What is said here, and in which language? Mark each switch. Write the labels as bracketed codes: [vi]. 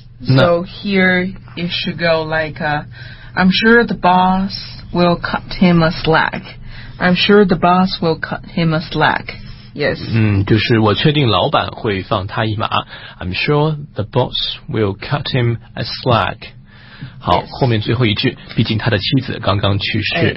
[en] So here it should go like I'm sure the boss will cut him a slack. I'm sure the boss will cut him a slack. Yes. [zh] 就是我确定老板会放他一马。 [en] I'm sure the boss will cut him a slack. [zh] 好， [en] yes. [zh] 后面最后一句，毕竟他的妻子刚刚去世。